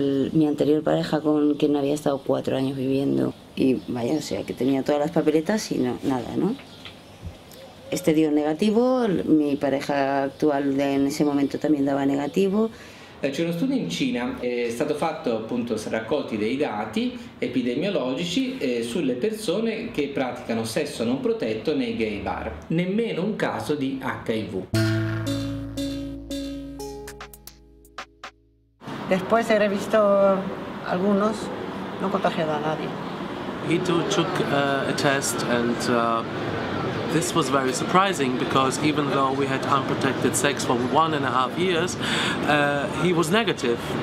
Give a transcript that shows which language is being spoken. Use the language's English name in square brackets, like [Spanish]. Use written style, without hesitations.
[Spanish] Mi anterior pareja con quien había estado 4 años viviendo y vaya, o sea, que tenía todas las papeletas y no, nada, ¿no? Este dio negativo, mi pareja actual en ese momento también daba negativo. [Italian] C'è uno studio in Cina, è stato fatto appunto, raccolti dei dati epidemiologici sulle persone che praticano sesso non protetto nei gay bar. Nemmeno un caso di HIV. [Spanish] Después he visto algunos, no contagiado a nadie. [English] He too took a test and this was very surprising because even though we had unprotected sex for 1.5 years, he was negative.